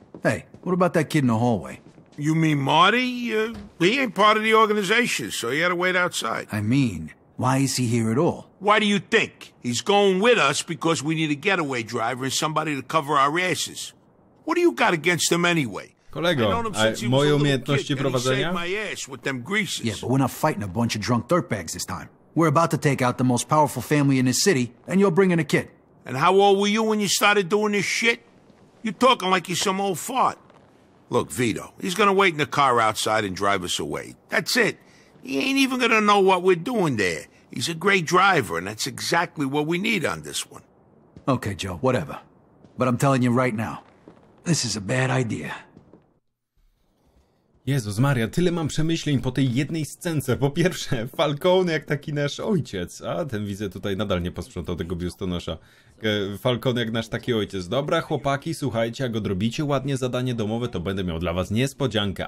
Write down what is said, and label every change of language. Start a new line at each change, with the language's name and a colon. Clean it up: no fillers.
English: Hey, what about that kid in the hallway? You mean Marty? He ain't part of the organization, so he had to wait outside. I mean, why is he here at all? Why do you think? He's going with us because we need a getaway driver and somebody to cover our asses. What do you got against him anyway?
Polish: Kolego, moje umiejętności prowadzenia?
English: Yeah, but we're not fighting a bunch of drunk dirtbags this time. We're about to take out the most powerful family in this city, and you're bringing a kid. And how old were you when you started doing this shit? You're talking like you're some old fart. Look, Vito, he's gonna wait in the car outside and drive us away. That's it. He ain't even gonna know what we're doing there. He's a great driver, and that's exactly what we need on this one. Okay, Joe, whatever. But I'm telling you right now, this is a bad idea.
Polish: Jezus Maria, tyle mam przemyśleń po tej jednej scence. Po pierwsze, Falcone jak taki nasz ojciec. A ten widzę tutaj nadal nie posprzątał tego biustonosza. Falcone jak nasz taki ojciec. Dobra, chłopaki, słuchajcie, jak odrobicie ładnie zadanie domowe, to będę miał dla was niespodziankę.